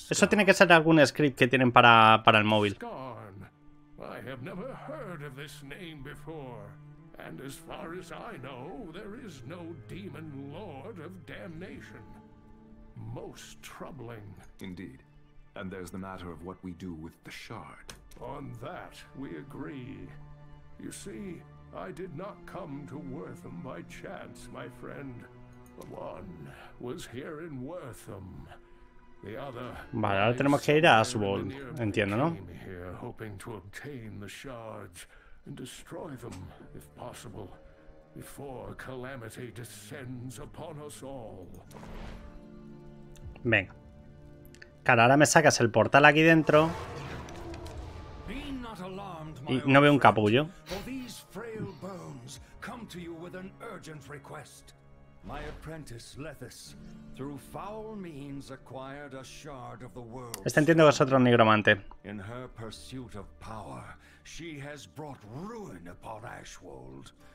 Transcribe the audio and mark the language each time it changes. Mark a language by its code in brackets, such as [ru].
[es] Eso tiene que ser algún script que tienen para el móvil. [en] Scorn. I have never heard of this name before. And as far as I know, there is no demon lord of damnation. Most troubling. Indeed. And there's the matter of what we do with the shard. On that, we agree. You see, I did not come to Wortham by chance, my friend. The one was here in Wortham. The other... [es] Vale, ahora tenemos que ir a Aswold. Entiendo, ¿no? [en] Came here hoping to obtain the shards. And destroy them, if possible, before calamity descends upon us all. [es] Venga. Claro, ahora me sacas el portal aquí dentro. Y no veo un capullo. [en] For these frail bones come to you with an urgent request. My apprentice, Lethys, through foul means acquired a shard of the world. [es] Este entiendo que es otro nigromante. [en] In her pursuit of power, she has brought ruin upon Ashwold.